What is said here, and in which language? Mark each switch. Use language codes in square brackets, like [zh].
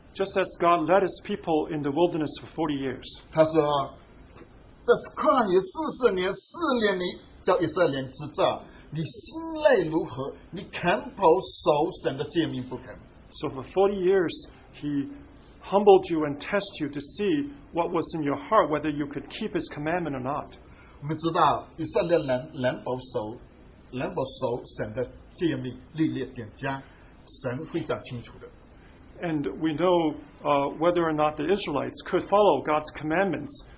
[en] just as God led His people in the wilderness for 40 years. [zh] 他说，这旷野四十年，四年你叫以色列人知道，你心内如何，你肯否守神的诫命不肯？ [en] So for 40 years, He humbled you and tested you to see what was in your heart, whether you could keep His commandment or not. [zh] 我们知道以色列人能否守神的诫命律例典章，神非常清楚的。 [en] And we know whether or not the Israelites could follow God's commandments.